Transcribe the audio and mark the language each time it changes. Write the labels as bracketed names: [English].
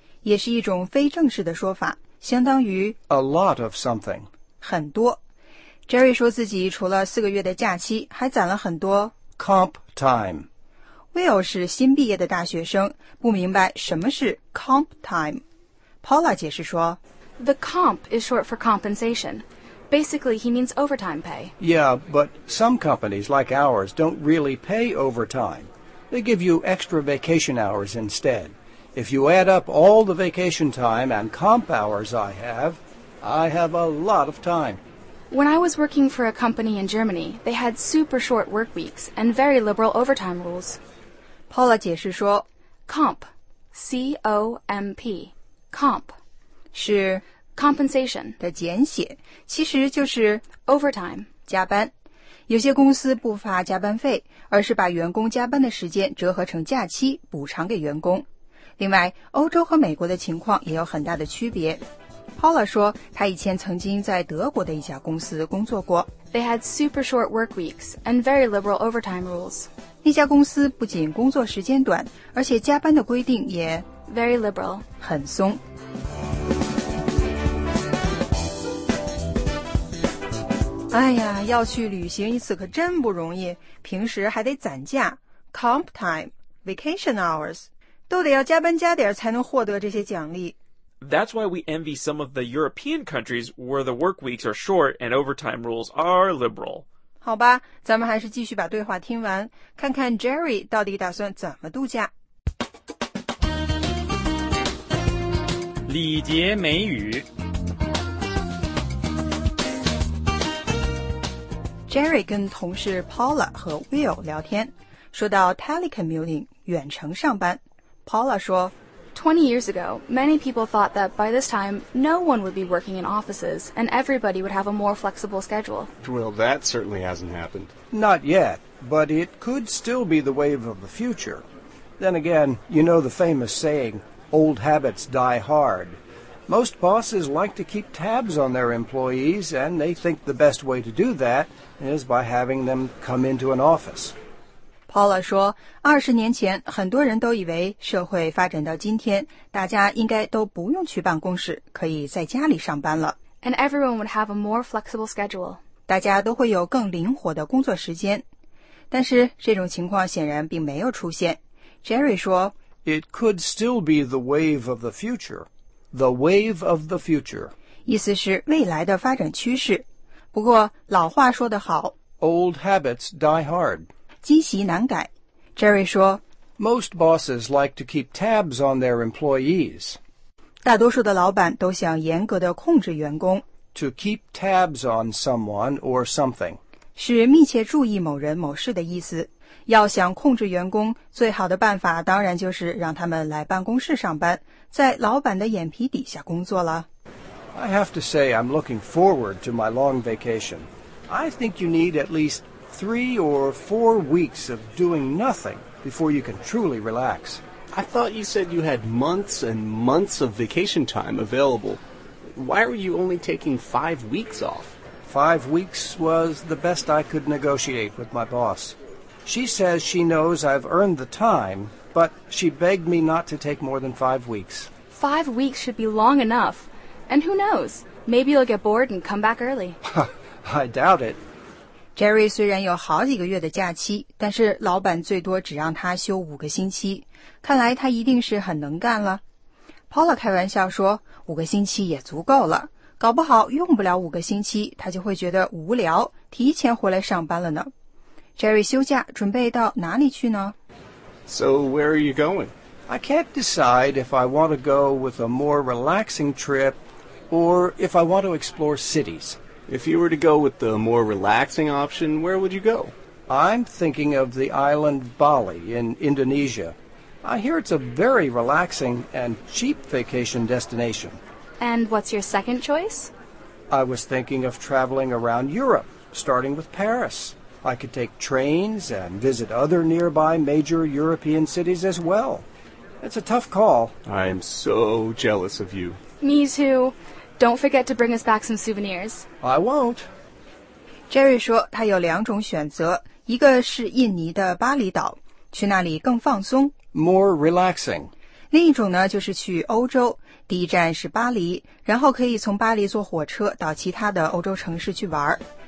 [Chinese] 也是一种非正式的说法，相当于 [English] A lot of something. [Chinese] 很多。 Jerry 说自己除了四个月的假期，还攒了很多 [English] comp time。 [Chinese] Will 是新毕业的大学生，不明白什么是 comp time。 Paula 解释说 [English] ，The comp is short for compensation. Basically, he means overtime pay. Yeah, but some companies like ours don't really pay overtime. They give you extra vacation hours instead. If you add up all the vacation time and comp hours I have a lot of time. When I was working for a company in Germany, they had super short work weeks and very liberal overtime rules. [Chinese] Paula 解释说 [English] comp, C-O-M-P, comp, [Chinese] 是 [English] compensation [Chinese] 的简写，其实就是 [English] overtime, [Chinese] 加班。有些公司不发加班费，而是把员工加班的时间折合成假期补偿给员工。另外，欧洲和美国的情况也有很大的区别。Paula 说，他以前曾经在德国的一家公司工作过。 [English] They had super short work weeks and very liberal overtime rules. [Chinese] 那家公司不仅工作时间短，而且加班的规定也 [English] very liberal， [Chinese] 很松。哎呀，要去旅行一次可真不容易，平时还得攒假 ， comp time， vacation hours，都得要加班加点才能获得这些奖励。 [English] That's why we envy some of the European countries where the work weeks are short and overtime rules are liberal. [Chinese] 好吧，咱们还是继续把对话听完，看看 Jerry 到底打算怎么度假。礼节美语。 Jerry 跟同事 Paula 和 Will 聊天，说到 telecommuting 远程上班 ，Paula 说。 [English] 20 years ago, many people thought that by this time, no one would be working in offices and everybody would have a more flexible schedule. Well, that certainly hasn't happened. Not yet, but it could still be the wave of the future. Then again, you know the famous saying, old habits die hard. Most bosses like to keep tabs on their employees, and they think the best way to do that is by having them come into an office. [Chinese] Paula 说，二十年前很多人都以为社会发展到今天，大家应该都不用去办公室，可以在家里上班了。 [English] And everyone would have a more flexible schedule. [Chinese] 大家都会有更灵活的工作时间。但是这种情况显然并没有出现。 Jerry 说 [English] ，It could still be the wave of the future. The wave of the future. [Chinese] 意思是未来的发展趋势。不过老话说得好 [English] ，Old habits die hard. [Chinese] 积习难改 ，Jerry 说。 [English] Most bosses like to keep tabs on their employees. [Chinese] 大多数的老板都想严格的控制员工。 [English] To keep tabs on someone or something [Chinese] 是密切注意某人某事的意思。要想控制员工，最好的办法当然就是让他们来办公室上班，在老板的眼皮底下工作了。 [English] I have to say I'm looking forward to my long vacation. I think you need at least. Three or four weeks of doing nothing before you can truly relax. I thought you said you had months and months of vacation time available. Why were you only taking 5 weeks off? 5 weeks was the best I could negotiate with my boss. She says she knows I've earned the time, but she begged me not to take more than 5 weeks. 5 weeks should be long enough. And who knows? Maybe you'll get bored and come back early. I doubt it. [Chinese] Jerry 虽然有好几个月的假期，但是老板最多只让他休5个星期，看来他一定是很能干了。 Paula 开玩笑说，5个星期也足够了，搞不好用不了5个星期，他就会觉得无聊，提前回来上班了呢。 Jerry 休假，准备到哪里去呢 [English] ？So where are you going? I can't decide if I want to go with a more relaxing trip, or if I want to explore cities. If you were to go with the more relaxing option, where would you go? I'm thinking of the island Bali in Indonesia. I hear it's a very relaxing and cheap vacation destination. And what's your second choice? I was thinking of traveling around Europe, starting with Paris. I could take trains and visit other nearby major European cities as well. It's a tough call. I'm so jealous of you. Me too. Don't forget to bring us back some souvenirs. I won't. [Chinese] Jerry 说他有两种选择，一个是印尼的巴厘岛，去那里更放松。 [English] More relaxing. [Chinese] 另一种呢，就是去欧洲，第一站是巴黎，然后可以从巴黎坐火车到其他的欧洲城市去玩。